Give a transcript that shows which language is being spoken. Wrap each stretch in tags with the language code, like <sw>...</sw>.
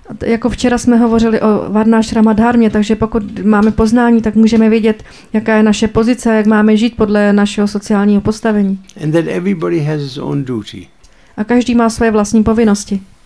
<cs>Jako včera jsme hovořili o Varnashrama Dharmě, takže pokud máme poznání, tak můžeme vědět, jaká je naše pozice, jak máme žít podle našeho sociálního postavení.</cs> <en>And that everybody has his own duty.</en> <cs>A každý má své vlastní povinnosti.</cs>